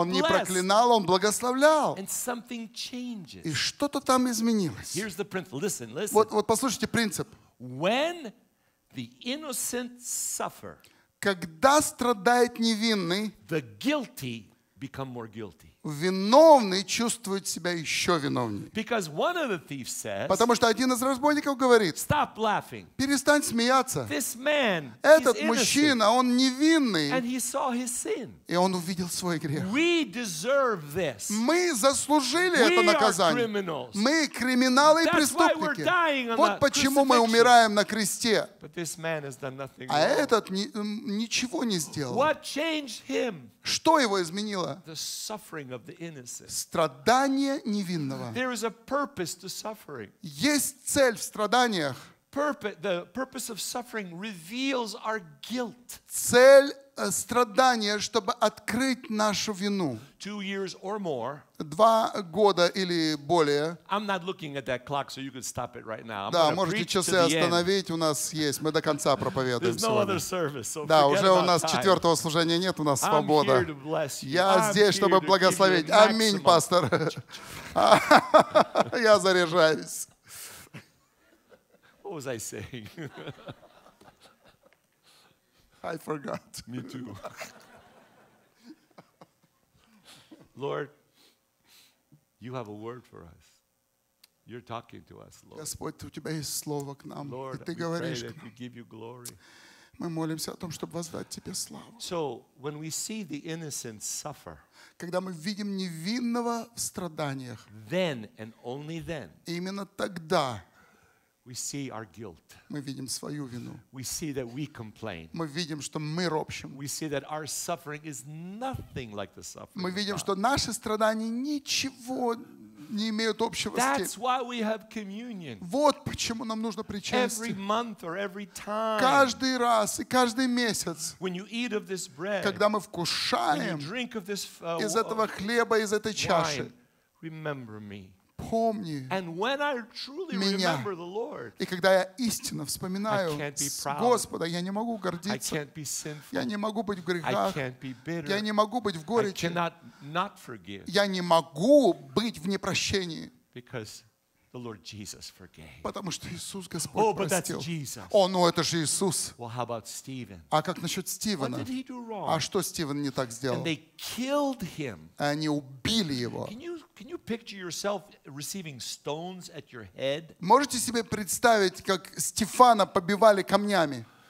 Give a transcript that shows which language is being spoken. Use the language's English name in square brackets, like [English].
[Russian] Он не проклинал, он благословлял. [English] And something changes. [Russian] И что-то там изменилось. [English] Here's the principle. Listen, listen. [Russian] Вот послушайте принцип. [English] When the innocent suffer, [Russian] когда страдает невинный, [English] the guilty become more guilty. [Russian] Виновный чувствует себя еще виновнее. [English] Because one of the thieves says, [Russian] потому что один из разбойников говорит, [English] stop laughing. [Russian] Перестань смеяться. [English] This man, [Russian] этот мужчина, он невинный. [English] And he saw his sin. [Russian] И он увидел свой грех. [English] We deserve this. [Russian] Мы заслужили [English] we [Russian] это наказание. [English] Are criminals. [Russian] Мы криминалы и преступники. [English] That's why we're dying on [Russian] вот почему мы умираем на кресте. [English] But this man has done nothing wrong. [Russian] А этот ничего не сделал. [English] What changed him? [Russian] Что его изменило? [English] The suffering of the innocent. [Russian] Страдание невинного. [English] There is a purpose to suffering. [Russian] Есть цель в страданиях. [English] The purpose of suffering reveals our guilt. [Russian] Цель страдания, чтобы открыть нашу вину. [English] 2 years or more. [Russian] 2 года или более. [English] I'm not looking at that clock, so you can stop it right now. [Russian] Да, можете часы остановить. У нас есть, мы до конца проповедуем. [English] There's no other service. [Russian] Да, уже у нас четвертого служения нет, у нас свобода. [English] I'm here to bless you. [Russian] Я здесь, чтобы благословить. Аминь, пастор. Я заряжаюсь. [English] What was I saying? I forgot. Me too. Lord, you have a word for us. You're talking to us, Lord. [Russian] Господь, у тебя есть слово к нам. [English] Lord, [Russian] и ты говоришь. [English] We pray that we give you glory. [Russian] Мы молимся о том, чтобы воздать тебе славу. [English] So when we see the innocent suffer, [Russian] когда мы видим невинного в страданиях, [English] then and only then, [Russian] именно тогда. [English] We see our guilt. [Russian] Мы видим свою вину. [English] We see that we complain. [Russian] Мы видим, что мы ропщим. [English] We see that our suffering is nothing like the suffering. [Russian] Мы видим, что наши страдания ничего не имеют общего с тем. [English] That's why we have communion. [Russian] Вот почему нам нужно причастие. [English] Every month or every time. [Russian] Каждый раз и каждый месяц. [English] When you eat of this bread. [Russian] Когда мы вкушаем. [English] Drink of this, [Russian] из этого хлеба, из этой чаши. [English] Remember me. [Russian] Помни [English] and when I truly [Russian] меня. [English] Remember the Lord, [Russian] и когда я истинно вспоминаю Господа, я не могу гордиться. [English] I can't be sinful. [Russian] Я не могу быть в грехах. [English] I can't be bitter. [Russian] Я не могу быть в горечи. [English] I cannot not forgive. [Russian] Я не могу быть в непрощении. [English] Because the Lord Jesus forgave. [Russian] Потому что Иисус Господь [English] oh, but [Russian] простил. [English] That's Jesus. [Russian] О, ну это же Иисус. [English] Well, how about Stephen? [Russian] А как насчет Стивена? [English] What did he do wrong? [Russian] А что Стивен не так сделал? [English] And they killed him. [Russian] Они убили его. [English] Can you picture yourself receiving stones at your head? [Russian] Можете себе представить, как Стефана побивали камнями?